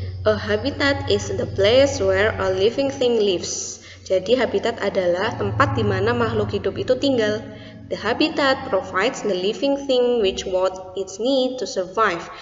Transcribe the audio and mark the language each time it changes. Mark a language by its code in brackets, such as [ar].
[en] A habitat is the place where a living thing lives. [id] Jadi habitat adalah tempat di mana makhluk hidup itu tinggal. [en] The habitat provides the living thing which what it need to survive.